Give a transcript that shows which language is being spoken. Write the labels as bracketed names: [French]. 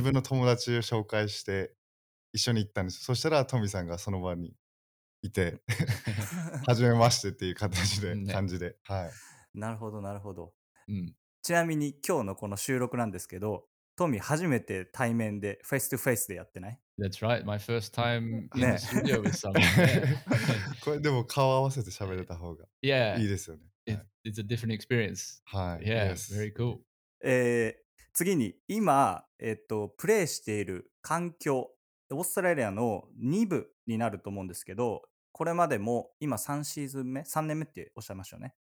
[Japanese] 自分の友達を紹介して一緒に行ったんです。そしたらトミさんがその場にいて初めましてっていう形で感じで、はい、なるほどなるほど、うん、ちなみに今日のこの収録なんですけど、トミ初めて対面でフェイストゥフェイスでやってない？ [English] That's right, my first time in the studio with someone. [Japanese] これでも顔合わせて喋れた方がいいですよね、 [English] yeah. It's a different experience. [Japanese] はい、 [English] yeah. yes. Very cool. [Japanese] 次に今、プレイしている環境、オーストラリアの2部になると思うんですけど、これまでも今3シーズン目、3年目っておっしゃいましたよね。